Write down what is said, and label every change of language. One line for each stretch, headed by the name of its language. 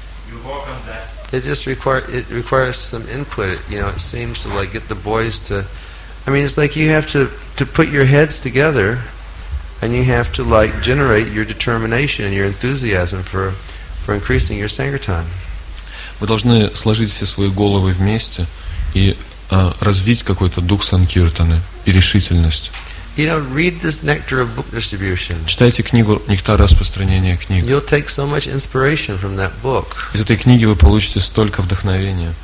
English: You work on that. It requires some input. You know, it seems to like get the boys to. I mean, it's like you have to put your heads together, and you have to like generate your determination and your enthusiasm for increasing your sankirtan.
Russian: Вы должны сложить все свои головы вместе и развить какой-то дух санкиртаны и решительность.
English: You know, read this Nectar of Book Distribution.
Russian: Читайте книгу «Нектар распространения книг».
English: You'll take so much inspiration from that book.
Russian: Из этой книги вы получите столько вдохновения.